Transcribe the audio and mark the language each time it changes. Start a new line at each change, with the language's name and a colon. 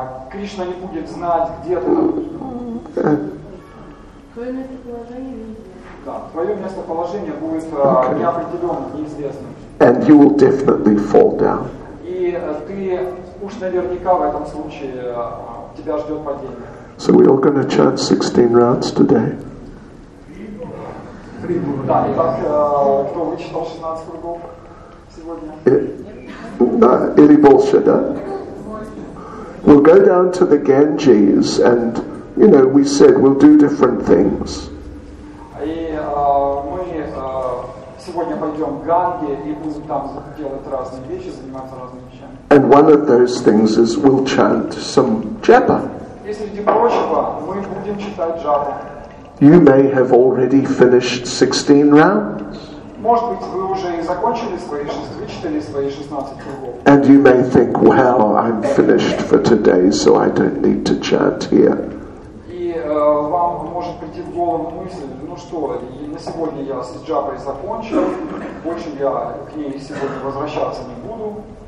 Russian: Кришна не будет знать, где ты. Твое местоположение будет неопределенным, неизвестным.
English: And you will definitely fall down.
Russian: И ты уж наверняка в этом случае тебя ждет падение.
English: So we're all going to chant 16 rounds today.
Russian: Да, и так, кто вычитал 16 кругов сегодня? Или больше, да?
English: We'll go down to the Ganges and, you know, we said we'll do different things.
Russian: И мы сегодня пойдем в Ганге и будем там делать разные вещи, заниматься разными вещами.
English: And one of those things is we'll chant some japa.
Russian: И среди прочего мы будем читать джапу.
English: You may have already finished 16 rounds.
Russian: Может быть, вы уже и закончили свои 16 кругов.
English: And you may think, well, I'm finished for today, so I don't need to chant here.
Russian: И вам может прийти в голову мысль, ну что, на сегодня я с джапой закончил, больше я к ней сегодня возвращаться не буду.